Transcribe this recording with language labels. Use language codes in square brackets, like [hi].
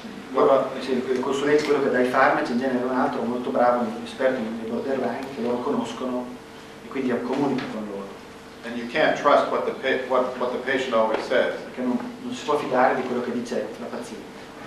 [it] Il consulente, quello che dà i farmaci, in genere un altro molto bravo, un esperto nei borderline, che loro conoscono e quindi comunica con loro. [en] And you can't trust what the patient always says. [it] Perché non si può fidare di quello che dice la paziente.